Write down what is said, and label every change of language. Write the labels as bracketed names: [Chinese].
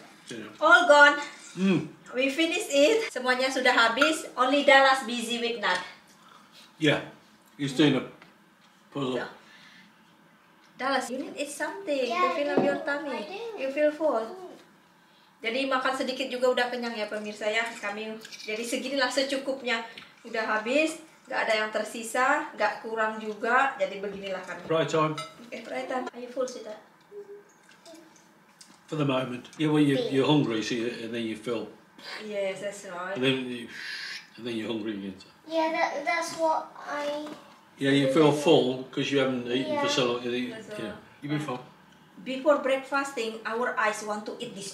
[English] Yeah. All gone. Mm. We finished it. [Indonesian] Semuanya sudah habis. [English] Only Dallas busy with that. Yeah. He's doing a puzzle. Yeah. Dallas, you need eat something. Yeah, the feel of your tummy. You feel full. [Indonesian] Jadi makan sedikit juga udah kenyang ya pemirsa ya. Kami jadi seginilah secukupnya. udah habis, nggak ada yang tersisa, nggak kurang juga, jadi beginilah kami. [English] Right on. Okay, right on. Are you full, Sita? For the moment. Yeah, well, you're hungry, so you, and then you fill. Yes, that's right. And then you, and then you're hungry again. Yeah, that's what I. Yeah, you feel full because you haven't eaten for so long. You've been full. Before breakfasting, our eyes want to eat this.